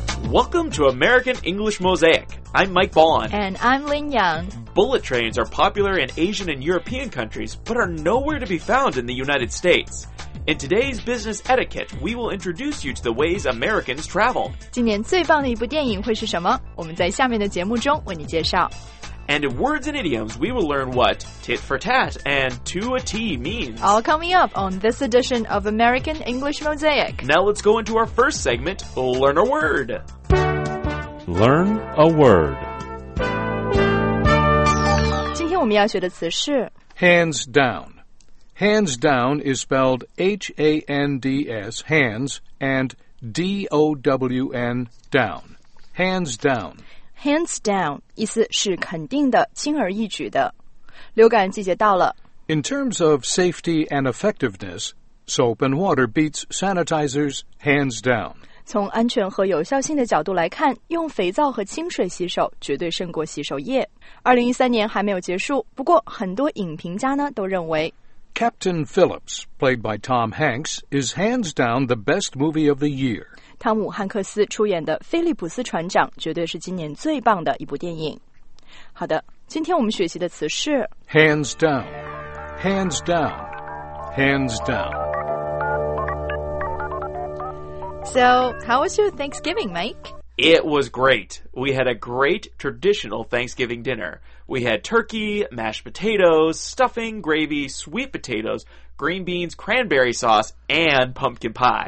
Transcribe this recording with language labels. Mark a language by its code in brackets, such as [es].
[en] Welcome to American English Mosaic. I'm Mike Bond. And I'm Lin Yang. Bullet trains are popular in Asian and European countries, but are nowhere to be found in the United States. In today's business etiquette, we will introduce you to the ways Americans travel. [zh] 今年最棒的一部电影会是什么？我们在下面的节目中为你介绍。 [en] And in words and idioms, we will learn what tit for tat and to a T means. All coming up on this edition of American English Mosaic. Now let's go into our first segment, Learn a Word. Learn a Word. [zh] 今天我们要学的词是 [en] Hands down. Hands down is spelled H-A-N-D-S, hands, and D-O-W-N, down. Hands down. [zh] Hands down, 意思是肯定的,轻而易举的。流感季节到了。 [en] In terms of safety and effectiveness, soap and water beats sanitizers hands down. [zh] 从安全和有效性的角度来看,用肥皂和清水洗手绝对胜过洗手液。 2013年还没有结束,不过很多影评家呢都认为 [en] Captain Phillips, played by Tom Hanks, is hands down the best movie of the year. [zh] 汤姆·汉克斯出演的《菲利普斯船长》绝对是今年最棒的一部电影。好的，今天我们学习的词是 [en] Hands down, hands down, hands down. So, how was your Thanksgiving, Mike? It was great. We had a great traditional Thanksgiving dinner. We had turkey, mashed potatoes, stuffing, gravy, sweet potatoes,green beans, cranberry sauce, and pumpkin pie.